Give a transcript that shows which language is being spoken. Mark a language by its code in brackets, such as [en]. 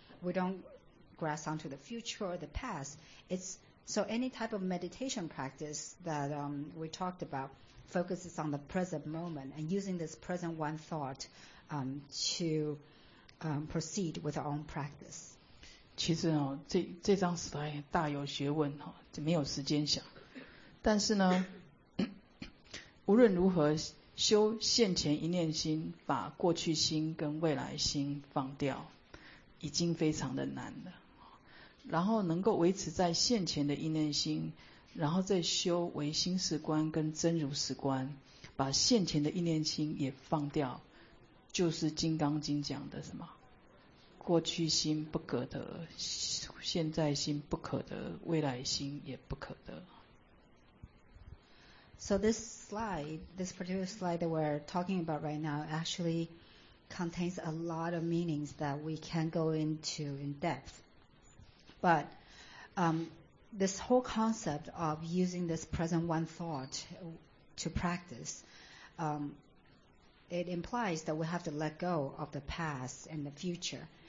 [en] We don't grasp onto the future or the past. So any type of meditation practice that we talked about focuses on the present moment and using this present one thought to proceed with our own practice. [zh] 其实哦，这张 slide 大有学问哈，这没有时间想。但是呢，无论如何修现前一念心，把过去心跟未来心放掉，已经非常的难了。然后能够维持在现前的一念心，然后再修唯心识观跟真如识观，把现前的一念心也放掉，就是《金刚经》讲的什么？过去心不可得，现在心不可得，未来心也不可得。 [en] So this slide, this particular slide that we're talking about right now actually contains a lot of meanings that we can go into in depth. But this whole concept of using this present one thought to practice, it implies that we have to let go of the past and the future.